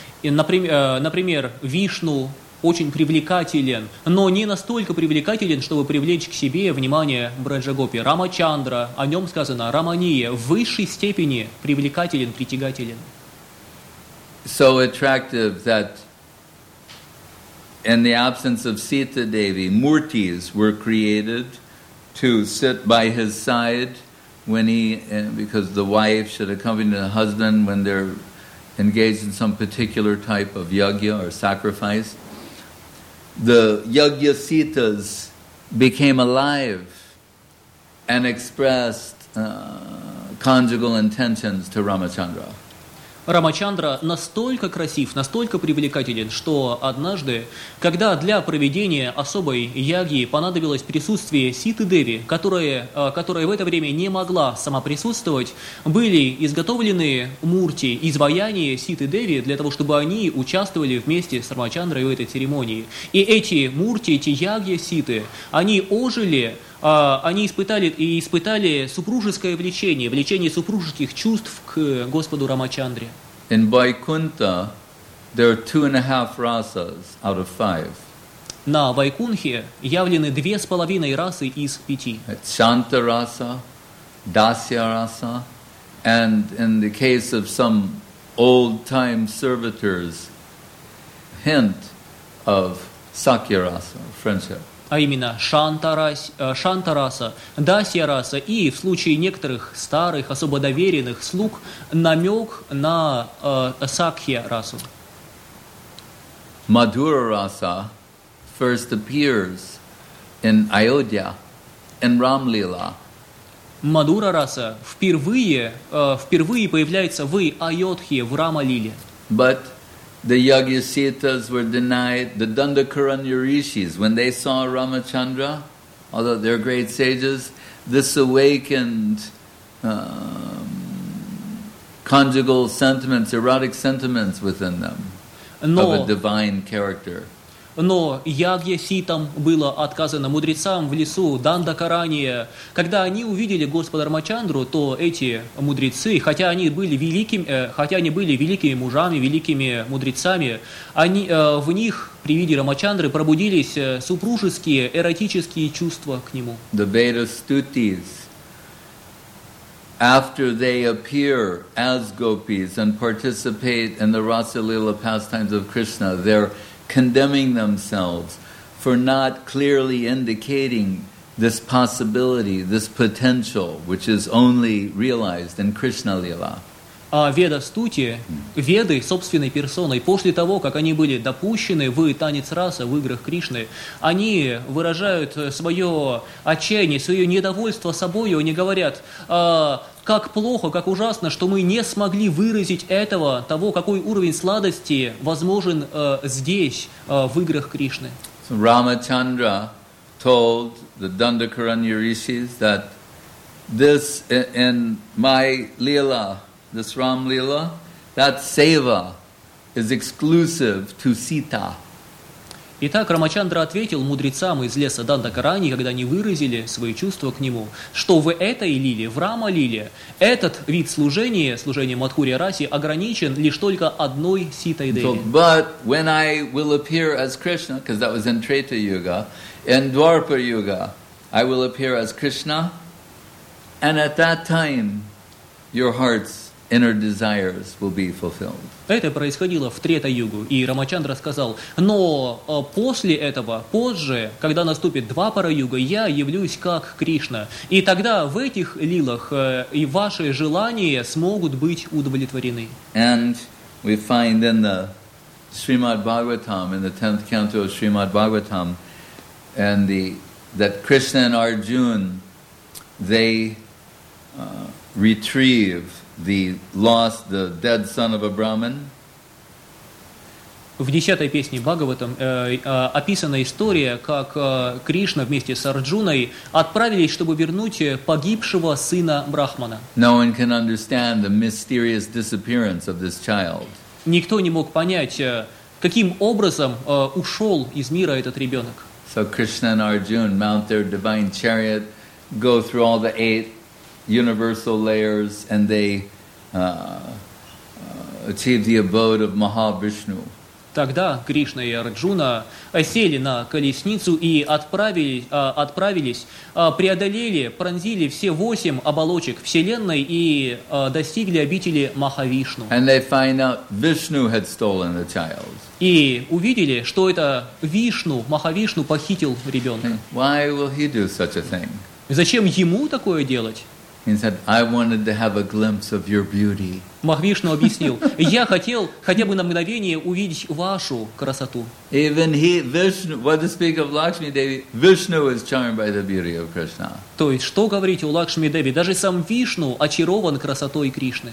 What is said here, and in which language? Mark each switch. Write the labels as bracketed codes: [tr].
[ru] Например, Вишну очень привлекателен, но не настолько привлекателен, чтобы привлечь к себе внимание Браджагопи. Рамачандра, о нем сказано, Рамания в высшей степени привлекателен, притягателен. [en] So attractive that in the absence of Sita Devi, murtis were created to sit by his side when he, because the wife should accompany the husband when they're engaged in some particular type of yajna or sacrifice. The yajna sitas became alive and expressed conjugal intentions to Ramachandra. [ru] Рамачандра настолько красив, настолько привлекателен, что однажды, когда для проведения особой яги понадобилось присутствие Ситы Деви, которая в это время не могла сама присутствовать, были изготовлены мурти, изваяния Ситы Деви для того, чтобы они участвовали вместе с Рамачандрой в этой церемонии. И эти мурти, эти яги Ситы, они ожили. Они испытали супружеское влечение, влечение супружеских чувств к Господу Рамачандре. [en] In Vaikuntha, there are 2.5 rasas out of 5. [ru] На Вайкунхе явлены 2.5 расы из 5. [en] It's Shanta rasa, Dasya rasa, and in the case of some old-time servitors, hint of Sakya rasa, friendship. [ru] А именно Шантараса, Дасьяраса и в случае некоторых старых, особо доверенных слуг, намек на Сакхья-расу. [en] Мадхура-раса first appears in Ayodhya, in Рамлила. [ru] Мадхура-раса впервые появляется в Айодхе, в Рамалиле. [en] But the Yajna-sitas were denied, the Dandakaranya rishis, when they saw Ramachandra, although they're great sages, this awakened conjugal sentiments, erotic sentiments within them of a divine character. [ru] Но Ягья-ситам было отказано, мудрецам в лесу, Дандакаранья. Когда они увидели Господа Рамачандру, то эти мудрецы, хотя они были великими мужами, великими мудрецами, в них при виде Рамачандры пробудились супружеские, эротические чувства к нему. [en] The Veda-stutis, after they appear as gopis and participate in the Rasa-lila pastimes of Krishna, they're condemning themselves for not clearly indicating this possibility, this potential, which is only realized in Krishna Lila. [ru] А Веда-стути, Веды собственной персоной, после того, как они были допущены в танец раса, в играх Кришны, они выражают свое отчаяние, свое недовольство собой, они говорят, как плохо, как ужасно, что мы не смогли выразить этого, того, какой уровень сладости возможен здесь, в играх Кришны. [en] Рамачандра told the Дандакаранья Ришис that this in my Lila, this Ram Lila, that seva is exclusive to Sita. [ru] Итак, Рамачандра ответил мудрецам из леса Дандакарани, когда они выразили свои чувства к нему, что в этой лиле, в Рама-лиле, этот вид служения, служение Мадхурья-расе, ограничен лишь только одной Ситой-деви. [en] But when I will appear as Krishna, because that was in Treta-юга, in Dwarpa-юга, I will appear as Krishna, and at that time, your hearts inner desires will be fulfilled. [ru] Это происходило в Трета-югу, и Рамачандра сказал, но после этого, позже, когда наступит Двапара-юга, я явлюсь как Кришна. И тогда в этих лилах и ваши желания смогут быть удовлетворены. [en] And we find in the Srimad-Bhagavatam, in the 10th canto of Srimad-Bhagavatam, and the that Krishna and Arjuna, they retrieve the lost, the dead son of a Brahmin. [ru] В 10-й песне Бхагаватам описана история, как Кришна вместе с Арджуной отправились, чтобы вернуть погибшего сына Брахмана. [en] No one can understand the mysterious disappearance of this child. [ru] Никто не мог понять, каким образом ушел из мира этот ребенок. [en] So Krishna and Arjuna mount their divine chariot, go through all the eight universal layers, and they achieve the abode of Mahavishnu. [ru] Тогда Кришна и Арджуна сели на колесницу и отправились, преодолели, пронзили все восемь оболочек Вселенной и достигли обители Махавишну. [en] And they find out Vishnu had stolen the child. [ru] И увидели, что это Вишну, Махавишну, похитил ребенка. [en] Why will he do such a thing? [ru] Зачем ему такое делать? [en] He said, "I wanted to have a glimpse of your beauty." [ru] Махавишну объяснил: "Я хотел хотя бы на мгновение увидеть вашу красоту." [en] Even he, Vishnu, what to speak of Lakshmi Devi, Vishnu was charmed by the beauty of Krishna. [ru] То есть, что говорить о Лакшми Деви? Даже сам Вишну очарован красотой Кришны.